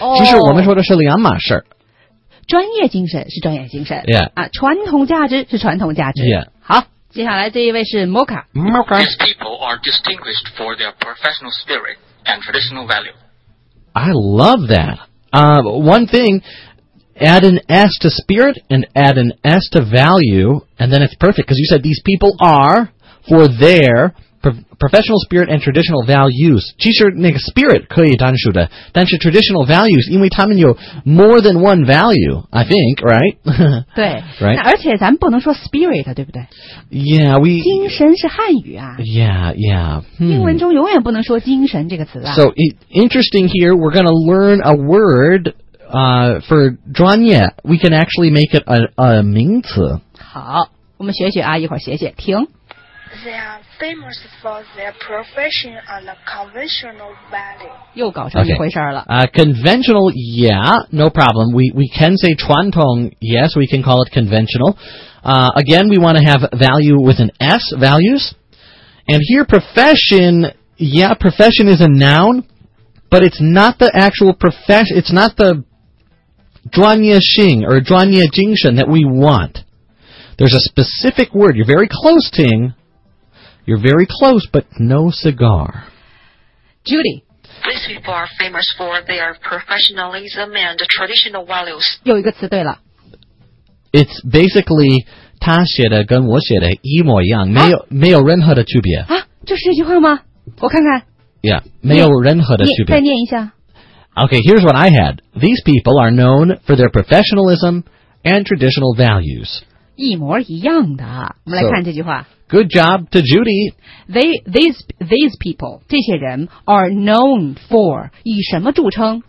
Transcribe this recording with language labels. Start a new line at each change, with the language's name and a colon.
Chinese: 其实我们说的是两码事。专业精神是专业精神。
English: Yeah.
Chinese: 啊，传统价值是传统价值。
English: Yeah.
Chinese: 好，接下来这一位是 Mocha。
English: Mocha. These people are distinguished for their professional spirit and traditional value. I love that. One thing. Add an S to spirit and add an S to value, and then it's perfect, because you said these people are for their professional spirit and traditional values.
Chinese: 其实那个 spirit 可以单数的，但是 traditional values, 因为他们有
English: more than one value, I think, right?
Chinese: 对
English: right?
Chinese: 而且咱们不能说 spirit, 对不对？
English: Yeah, we...
Chinese: 精神是汉语啊。
English: Yeah, yeah.、
Chinese: 英文中永远不能说精神这个词啊。
English: So, interesting here, we're going to learn a word... for 专业 we can actually make it a
Chinese: 名词。好，我们学学啊，一会儿学学。停。
English: They are famous for their profession and conventional value.
Chinese: 又搞成一回事了。
English: Okay. Conventional, yeah, no problem. We can say 传统 yes, we can call it conventional. Again, we want to have value with an S, values. And here, profession, yeah, profession is a noun, but it's not the actual profession, it's not the... 专业性 or
Chinese: 专业精神
English: that we want. There's a specific word. You're very close, Ting. You're very close, but no cigar. Judy. These people are famous for their professionalism and traditional values.
Chinese: 有一个词对了。
English: It's basically
Chinese: 他写的跟我写的一模一样、啊、没有任何的区别。啊就是这句话吗我看看。
English: Yeah,
Chinese: 没有任何的区别。再念一下。
English: Okay, here's what I had. These people are known for their professionalism and traditional values.
Chinese: 一模一样的。我们来看这句话。
English: So, good job to Judy. These people, 这些人 are known for,
Chinese: 以什么著称?